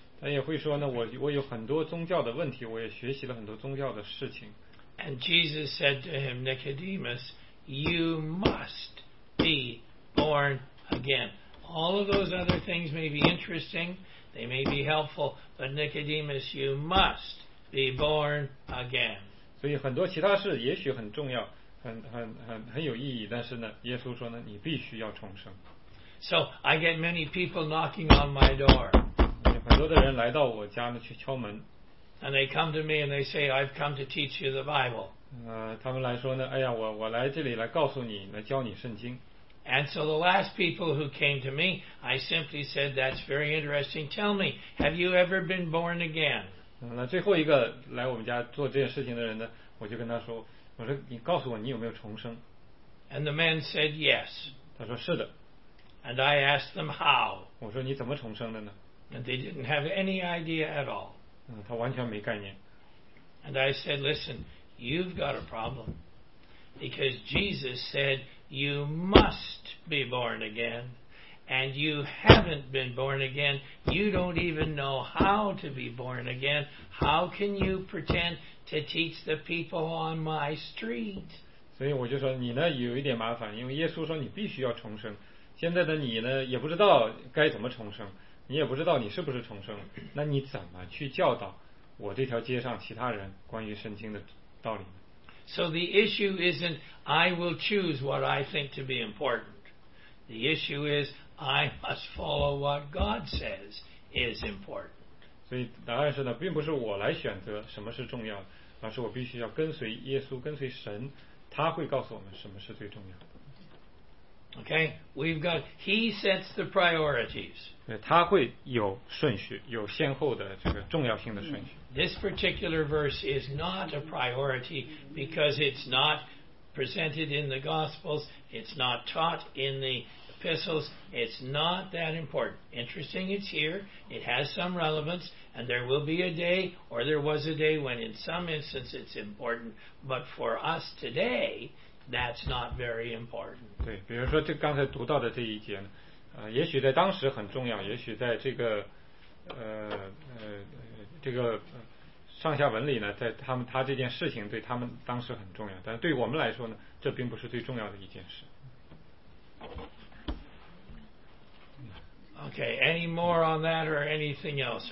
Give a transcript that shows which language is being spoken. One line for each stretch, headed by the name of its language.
Chinese: 他也会说呢，我有很多宗教的问题，我也学习了很多宗教的事情。
English: And Jesus said to him, Nicodemus, you must be born again. All of those other things may be interesting, they may be helpful, but Nicodemus, you must be born again.
Chinese: 所以很多其他事也许很重要，很有意义，但是呢，耶稣说呢，你必须要重生。
English: So I get many people knocking on my door.
Chinese: 很多的人来到我家呢去敲门。
English: And they come to me and they say, I've come to teach you the Bible.
Chinese: 他们来说呢，哎呀，我来这里来告诉你，来教你圣经。
English: And so the last people who came to me, I simply said, that's very interesting. Tell me, have you ever been born again?
Chinese: 那最后一个来我们家做这件事情的人呢，我就跟他说，我说你告诉我你有没有重生。
English: And the man said yes.
Chinese: 他说是的。
English: And I asked them how.
Chinese: 我说你怎么重生的呢？
English: And they didn't have any idea at all.
Chinese: 他完全没概念。
English: And I said, listen, you've got a problem. Because Jesus said you must be born again. And you haven't been born again. You don't even know how to be born again. How can you pretend to teach the people on my street?
Chinese: 所以我就说你呢有一点麻烦，因为耶稣说你必须要重生。现在的你呢也不知道该怎么重生，你也不知道你是不是重生。那你怎么去教导我这条街上其他人关于圣经的道理呢？
English: So the issue isn't I will choose what I think to be important. The issue is. I must follow what God says is important.
Chinese: 所以答案是呢，并不是我来选择什么是重要的，而是我必须要跟随耶稣，跟随神，他会告诉我们什么是最重要的。
English: Okay, we've got He sets the priorities.
Chinese: 对，他会有顺序，有先后的这个重要性的顺序。
English: This particular verse is not a priority because it's not presented in the Gospels. It's not taught in the Epistles, it's not that important. Interesting, it's here. It has some relevance, and there will be a day, or there was a day, when in some instance it's important. But for us today, that's not very important.
Chinese: 对，比如说这刚才读到的这一节呢，也许在当时很重要，也许在这个上下文里呢，在他这件事情对他们当时很重要，但对我们来说呢，这并不是最重要的一件事。
English: Okay, any more on that or anything else?